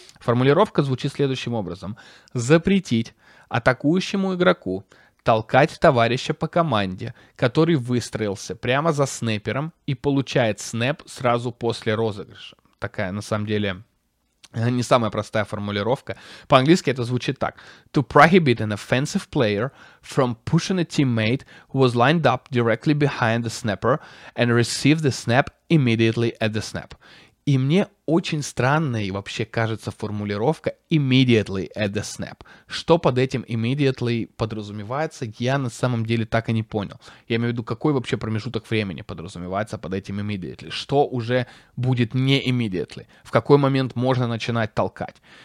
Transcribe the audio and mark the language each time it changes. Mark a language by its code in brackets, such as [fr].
[ru] Формулировка звучит следующим образом. Запретить атакующему игроку толкать товарища по команде, который выстроился прямо за снэпером и получает снэп сразу после розыгрыша. Такая, на самом деле, не самая простая формулировка. По-английски это звучит так. [en] To prohibit an offensive player from pushing a teammate who was lined up directly behind the snapper and receive the snap immediately at the snap. [ru] И мне очень странная и вообще кажется формулировка [en] immediately at the snap. [ru] Что под этим immediately подразумевается, я на самом деле так и не понял. Я имею в виду, какой вообще промежуток времени подразумевается под этим immediately. Что уже будет не immediately? В какой момент можно начинать толкать?